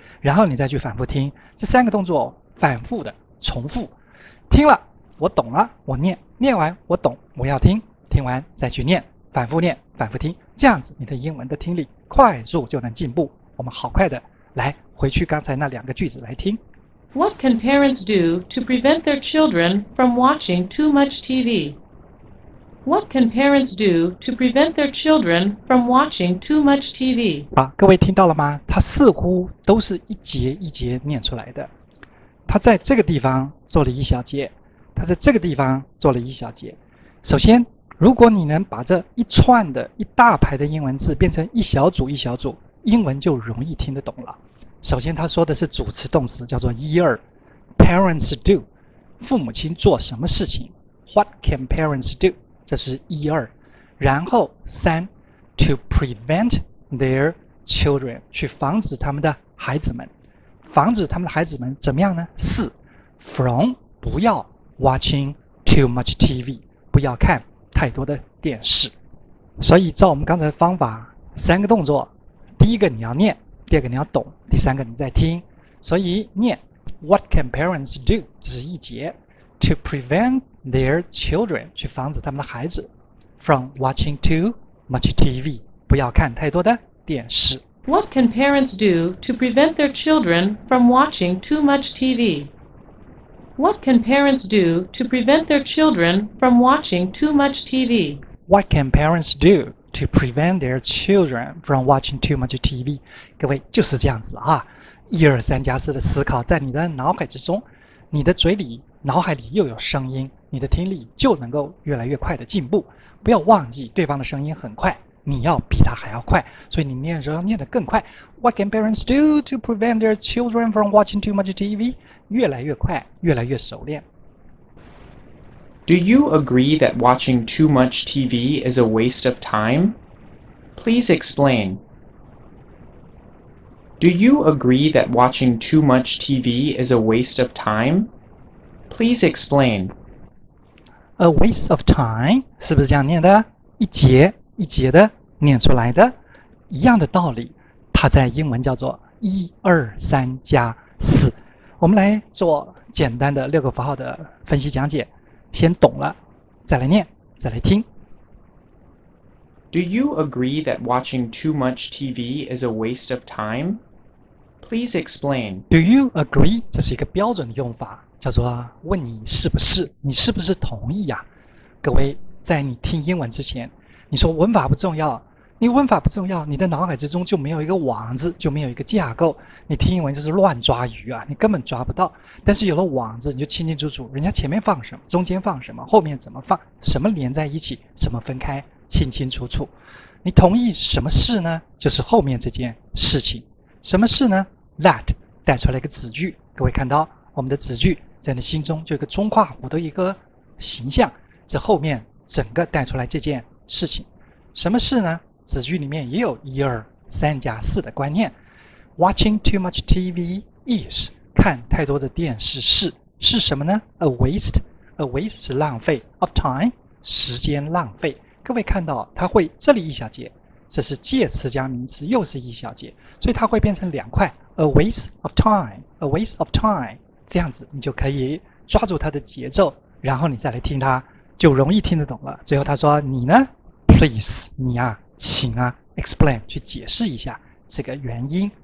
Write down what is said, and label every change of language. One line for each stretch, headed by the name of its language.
Chinese: 然后你再去反复听，这三个动作反复的重复。听了，我懂了，我念，念完我懂，我要听，听完再去念，反复念，反复听，这样子你的英文的听力快速就能进步。我们好快的来回去刚才那两个句子来听。
English: What can parents do to prevent their children from watching too much TV? What can parents do to prevent their children from watching too much TV?
Chinese: 啊，各位听到了吗？它似乎都是一节一节念出来的。它在这个地方做了一小节，它在这个地方做了一小节。首先，如果你能把这一串的一大排的英文字变成一小组一小组，英文就容易听得懂了。首先他说的是主词动词，叫做一二 ,parents do, 父母亲做什么事情 ,
English: what can parents do,
Chinese: 这是一二。然后三 ,
English: to prevent their children,
Chinese: 去防止他们的孩子们。防止他们的孩子们怎么样呢？四 ,from, 不要
English: watching too much TV,
Chinese: 不要看太多的电视。所以照我们刚才的方法，三个动作，第一个你要念，第二个你要懂，第三个你在听。所以念
English: What can parents do?
Chinese: 这是一节
English: To prevent their children
Chinese: 去防止他们的孩子
English: From watching too much TV
Chinese: 不要看太多的电视。
English: What can parents do to prevent their children from watching too much TV? What can parents do to prevent their children from watching too much TV? What can parents do? To prevent their children from watching too much TV.
Chinese: 各位就是这样子啊，一二三加四的思考在你的脑海之中，你的嘴里脑海里又有声音，你的听力就能够越来越快的进步。不要忘记对方的声音很快，你要比他还要快，所以你念的时候要念得更快。
English: What can parents do to prevent their children from watching too much TV?
Chinese: 越来越快，越来越熟练。
English: Do you agree that watching too much TV is a waste of time? Please explain. Do you agree that watching too much TV is a waste of time? Please explain. A waste of time,
Chinese: 是不是这样念的？一节一节的念出来的，一样的道理，它在英文叫做一二三加四。我们来做简单的六个符号的分析讲解。先懂了，再来念，再来听。
English: Do you agree that watching too much TV is a waste of time? Please explain. Do you agree?
Chinese: 这是一个标准的用法，叫做问你是不是，你是不是同意呀？各位，在你听英文之前，你说文法不重要，你文法不重要，你的脑海之中就没有一个网子，就没有一个架构，你听英文就是乱抓鱼啊，你根本抓不到。但是有了网子，你就清清楚楚人家前面放什么，中间放什么，后面怎么放，什么连在一起，什么分开，清清楚楚。你同意什么事呢？就是后面这件事情。什么事呢？ That 带出来一个子句，各位看到我们的子句在你心中就一个中括弧的一个形象，这后面整个带出来这件事情。什么事呢？子句里面也有一二三加四的观念。
English: Watching too much TV is
Chinese: 看太多的电视是什么呢？ A waste 是浪费 of time 时间浪费。各位看到它会这里一小节，这是介词加名词，又是一小节，所以它会变成两块
English: A waste of time
Chinese: 这样子，你就可以抓住它的节奏，然后你再来听它就容易听得懂了。最后他说你呢 Please 你啊请啊 explain 去解释一下这个原因。